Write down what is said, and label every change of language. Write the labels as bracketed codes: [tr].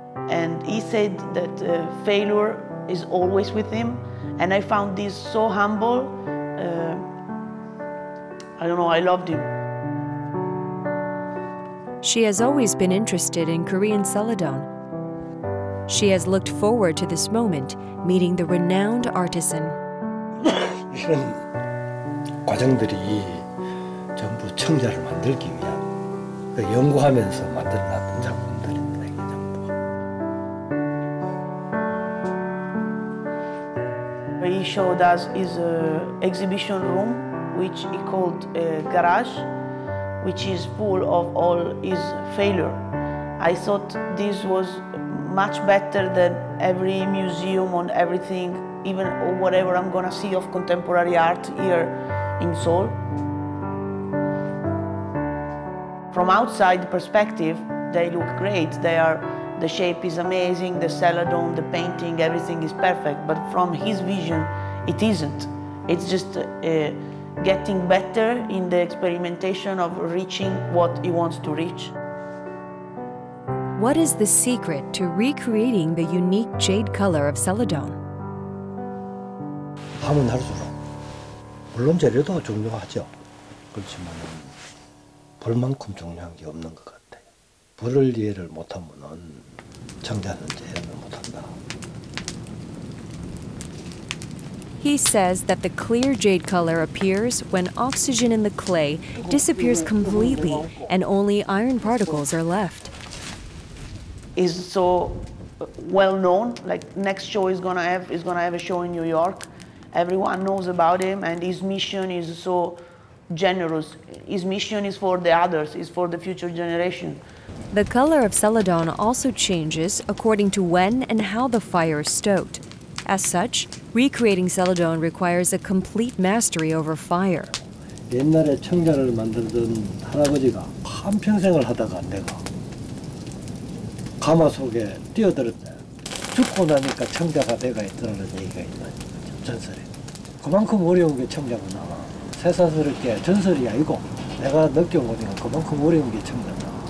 [en] And he said that failure is always with him, and I found this so humble. I don't know, I loved him. She has always been interested in Korean celadon. She has looked forward to this moment, meeting the renowned artisan. [ko] 이런 과정들이 전부 청자를 만들기 위한 연구하면서 만들어놨던 작품들입니다. [en] He showed us his exhibition room, which he called garage. Which is full of all his failure. I thought this was much better than every museum on everything, even whatever I'm gonna see of contemporary art here in Seoul. From outside perspective, they look great. They are, the shape is amazing, the celadon, the painting, everything is perfect. But from his vision, it isn't. It's just getting better in the experimentation of reaching what he wants to reach. What is the secret to recreating the unique jade color of celadon? [ko] 하면 할수록 물론 재료도 중요하죠. 그렇지만 불만큼 중요한 게 없는 것 같아요. 불을 이해를 못하면 청자는 이해를 못한다. [en] He says that the clear jade color appears when oxygen in the clay disappears completely and only iron particles are left. It's so well known, like next show is gonna have a show in New York. Everyone knows about him and his mission is so generous. His mission is for the others, is for the future generation. The color of celadon also changes according to when and how the fire is stoked. As such, recreating celadon requires a complete mastery over fire. [ko] 옛날에 청자를 만들던 할아버지가 한 평생을 하다가 내가 가마 속에 뛰어들었다. 죽고 나니까 청자가 내가 있더라는 얘기가 있는 전설이. 그만큼 어려운 게 청자구나. 새삼스럽게 전설이 아니고 내가 느껴보니까 그만큼 어려운 게 청자다.